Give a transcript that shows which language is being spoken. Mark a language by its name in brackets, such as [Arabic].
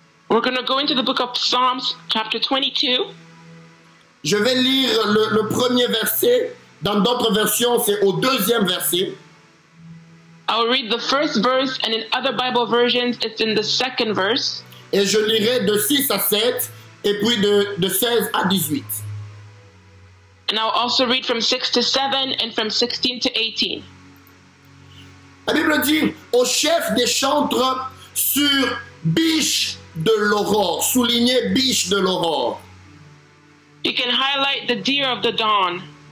[English] We're going to go into the book of Psalms chapter 22. [French] Je vais lire le premier verset. Dans d'autres versions, c'est au deuxième verset. [English] I will read the first verse and in other Bible versions, it's in the second verse. [French] Et je lirai de 6 à 7 et puis de 16 à 18. [English] And I'll also read from 6 to 7 and from 16 to 18. [French] La Bible dit, au chef des chantres sur biche de l'aurore, souligné biche de l'aurore. [English] You can highlight the deer of the dawn.